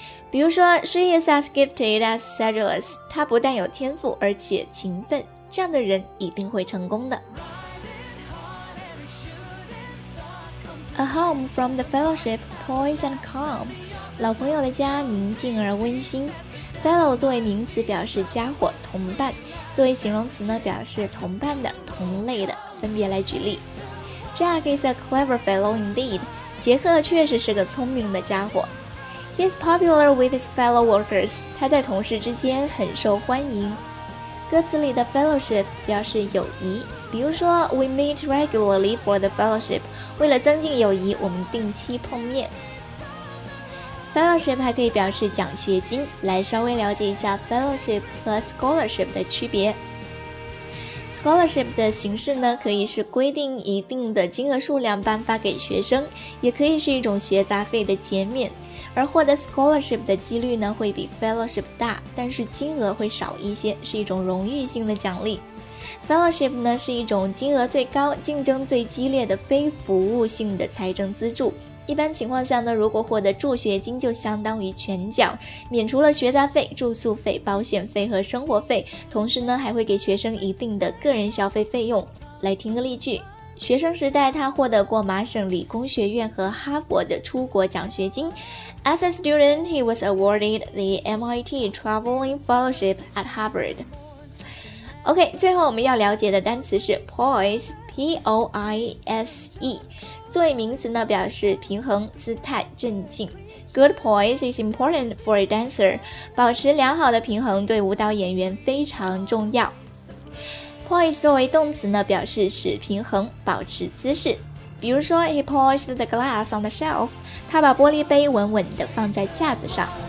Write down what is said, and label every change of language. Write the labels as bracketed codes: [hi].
[zh] 比如说 [en] She is as gifted as sedulous, [zh] 她不但有天赋而且勤奋，这样的人一定会成功的。 [en] A home from the fellowship, poise and calm, [zh] 老朋友的家宁静而温馨。 Fellow 作为名词表示家伙、同伴，作为形容词呢表示同伴的、同类的。分别来举例。 [en] Jack is a clever fellow indeed. [zh] 杰克确实是个聪明的家伙。 [en] He is popular with his fellow workers. [zh] 他在同事之间很受欢迎。歌词里的 fellowship 表示友谊，比如说 [en] We meet regularly for the fellowship. [zh] 为了增进友谊，我们定期碰面。Fellowship 还可以表示奖学金，来稍微了解一下 Fellowship 和 Scholarship 的区别。 Scholarship 的形式呢，可以是规定一定的金额数量颁发给学生，也可以是一种学杂费的减免，而获得 Scholarship 的几率呢，会比 Fellowship 大，但是金额会少一些，是一种荣誉性的奖励。 Fellowship 呢，是一种金额最高、竞争最激烈的非服务性的财政资助。一般情况下呢，如果获得助学金就相当于全奖，免除了学杂费、住宿费、保险费和生活费，同时呢还会给学生一定的个人消费费用。来听个例句。学生时代他获得过麻省理工学院和哈佛的出国奖学金。 [en] As a student he was awarded the MIT Traveling Fellowship at Harvard. [zh] OK, 最后我们要了解的单词是 poise, P-O-I-S-E,作为名词呢，表示平衡、姿态、镇静。 [en] Good poise is important for a dancer. [zh] 保持良好的平衡对舞蹈演员非常重要。 Poise 作为动词呢，表示使平衡、保持姿势。比如说 [en] ，He poised the glass on the shelf. [zh] 他把玻璃杯稳稳地放在架子上。